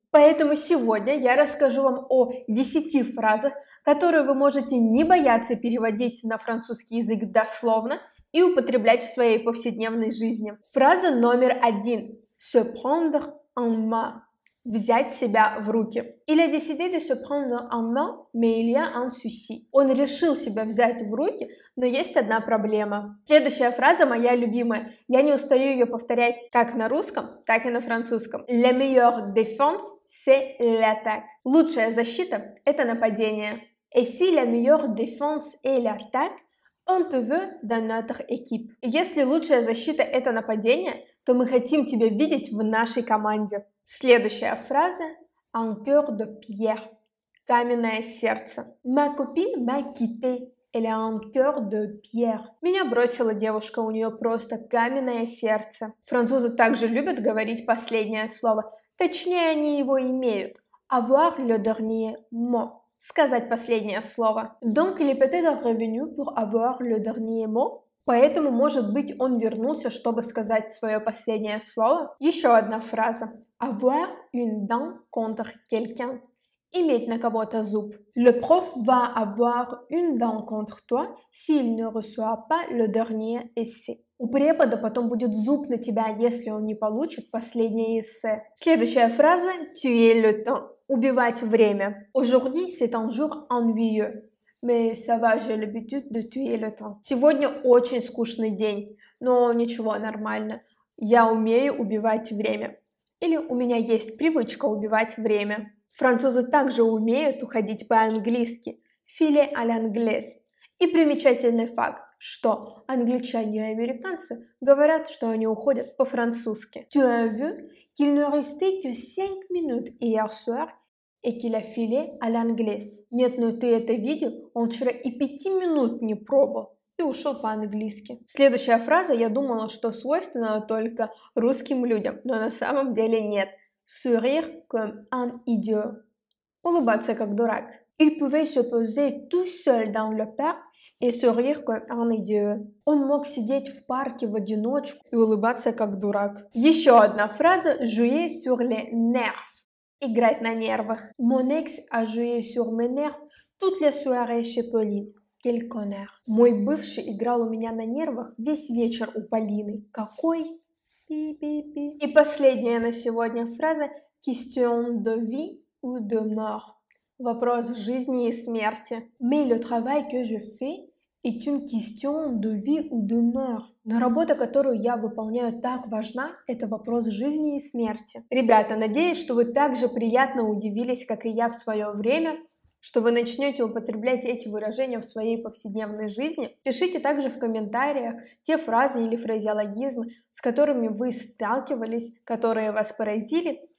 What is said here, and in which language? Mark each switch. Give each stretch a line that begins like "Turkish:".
Russian: Поэтому сегодня я расскажу вам о 10 фразах, которые вы можете не бояться переводить на французский язык дословно, и употреблять в своей повседневной жизни. Фраза номер один.
French: «Se prendre en main» –
Russian: «взять себя в руки».
French: «Il a décidé de se prendre en main, mais il y a un souci».
Russian: «Он решил себя взять в руки, но есть одна проблема». Следующая фраза моя любимая. Я не устаю ее повторять как на русском, так и на французском.
French: «La meilleure défense, c'est l'attaque».
Russian: «Лучшая защита – это нападение».
French: «Et si la meilleure défense est l'attaque?» On te veut dans notre équipe.
Russian: Если лучшая защита – это нападение, то мы хотим тебя видеть в нашей команде. Следующая фраза –
French: un cœur de pierre –
Russian: каменное сердце.
French: Ma copine m'a quitté, elle a un cœur de pierre.
Russian: Меня бросила девушка, у нее просто каменное сердце. Французы также любят говорить последнее слово, точнее они его имеют.
French: Avoir le dernier mot.
Russian: Сказать последнее слово.
French: Donc, il est peut-être revenu pour avoir le dernier mot.
Russian: Поэтому, может быть, он вернулся, чтобы сказать свое последнее слово. Еще одна фраза.
French: Avoir une dent contre quelqu'un.
Russian: Иметь на кого-то зуб.
French: Le prof va avoir une dent contre toi, s'il ne reçoit pas le dernier essai.
Russian: У препода потом будет зуб на тебя, если он не получит последнее эссе. Следующая фраза.
French: Tu es le temps.
Russian: Убивать время.
French: Aujourd'hui, c'est un jour ennuyeux. Mais ça va, j'ai l'habitude de tuer le temps.
Russian: Сегодня очень скучный день. Но ничего, нормально. Я умею убивать время. Или у меня есть привычка убивать время. Французы также умеют уходить по-английски.
French: Filer à l'anglaise.
Russian: И примечательный факт, что англичане и американцы говорят, что они уходят по-французски.
French: Tu as vu? Qu'il ne restait que 5 minutes hier soir et qu'il a filé à l'anglais.
Russian: Нет, но ты это видел? Он вчера и 5 минут не пробовал и ушел по-английски. Следующая фраза, я думала, что свойственна только русским людям, но на самом деле нет.
French: Sourire comme un idiot.
Russian: Улыбаться как дурак.
French: Il pouvait se poser tout seul dans le parc et sourire comme un idiot.
Russian: Он мог сидеть в парке в одиночку и улыбаться как дурак. Еще одна фраза
French: jouer sur les nerfs.
Russian: Играть на нервах.
French: Mon ex a joué sur mes nerfs toute la soirée chez Pauline. Quel connard.
Russian: Мой бывший играл у меня на нервах весь вечер у Полины. Какой? Пи-пи-пи. И последняя на сегодня фраза
French: question de vie ou de mort.
Russian: Вопрос жизни и смерти.
French: Mais le travail que je fais est une question de vie ou de mort.
Russian: Но работа, которую я выполняю, так важна, это вопрос жизни и смерти. Ребята, надеюсь, что вы так же приятно удивились, как и я в свое время, что вы начнете употреблять эти выражения в своей повседневной жизни. Пишите также в комментариях те фразы или фразеологизмы, с которыми вы сталкивались, которые вас поразили.